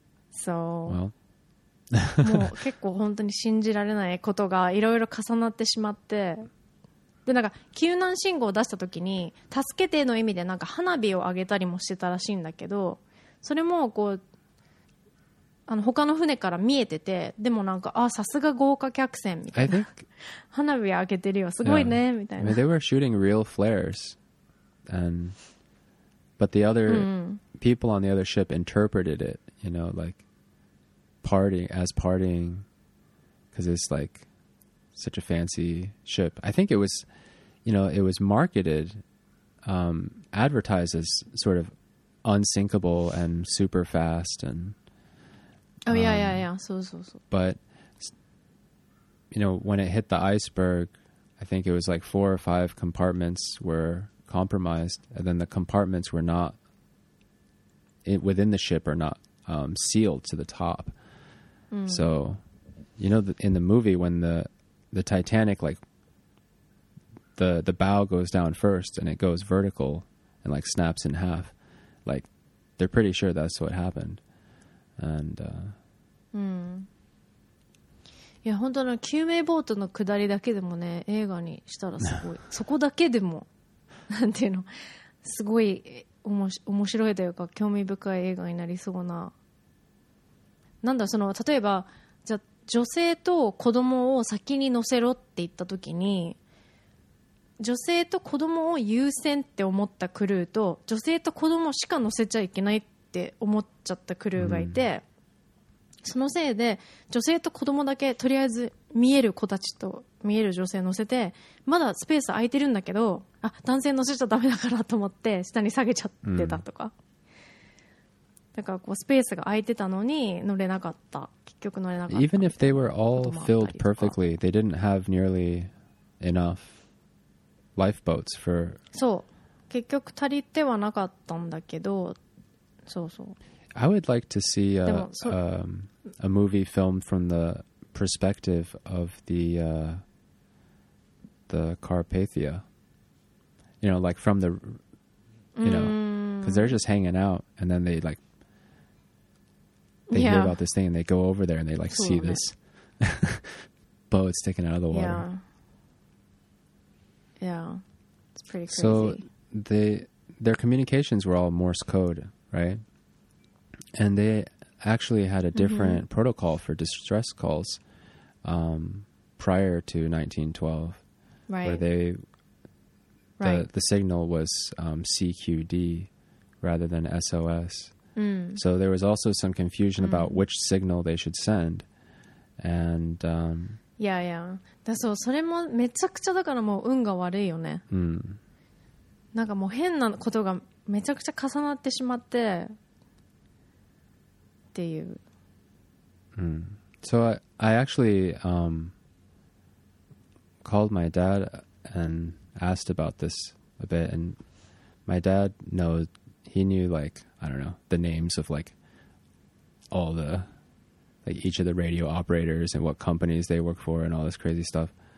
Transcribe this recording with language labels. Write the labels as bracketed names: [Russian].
[Japanese] そう、もう結構本当に信じられないことがいろいろ重なってしまって、でなんか救難信号を出した時に助けての意味でなんか花火を上げたりもしてたらしいんだけど、それもこうあの他の船から見えてて、でもなんかあさすが豪華客船みたいな、 [English] I think [Japanese] 花火上げてるよすごいね、yeah. みたいな。 [English] I mean, they were shooting real flares and, but the other people on the other ship interpreted it, you know, like partying because it's likeSuch a fancy ship. I think it was, you know, it was marketed, advertised as sort of unsinkable and super fast. And, Oh, yeah. But, you know, when it hit the iceberg, I think it was like 4 or 5 compartments were compromised. And then the compartments were not within the ship or not sealed to the top. Mm. So, you know, in the movie, when the Titanic, like the bow goes down first and it goes vertical and like snaps in half, like they're pretty sure that's what happened. And [Japanese] いや本当の救命ボートの下りだけでもね、映画にしたらすごい、そこだけでもなんていうの、すごい面白いというか興味深い映画になりそうな、なんだその例えば、じゃ女性と子供を先に乗せろって言った時に、女性と子供を優先って思ったクルーと、女性と子供しか乗せちゃいけないって思っちゃったクルーがいて、そのせいで女性と子供だけとりあえず見える子たちと見える女性乗せて、まだスペース空いてるんだけど、あ男性乗せちゃダメだからと思って下に下げちゃってたとか、だからこうスペースが空いてたのに乗れなかった、結局乗れなかった。 [English] Even if they were all filled perfectly, they didn't have nearly enough lifeboats for... [Japanese] そう、結局足りてはなかったんだけど、そうそう。 [English] I would like to see a movie filmed from the perspective of the Carpathia. You know, like from the... You know, because they're just hanging out and then they likethey hear about this thing and they go over there and they like see this boat sticking out of the water. Yeah. It's pretty crazy. So their communications were all Morse code, right? And they actually had a different protocol for distress calls prior to 1912. Right. Where the signal was CQD rather than SOS. So there was also some confusion about which signal they should send. And, [Japanese] そう、それもめちゃくちゃだからもう運が悪いよね。なんかもう変なことがめちゃくちゃ重なってしまってっていう。 [English] So I actually called my dad and asked about this a bit. And my dad knows, he knew like, I don't know, the names of like all the like each of the radio operators and what companies they work for and all this crazy stuff.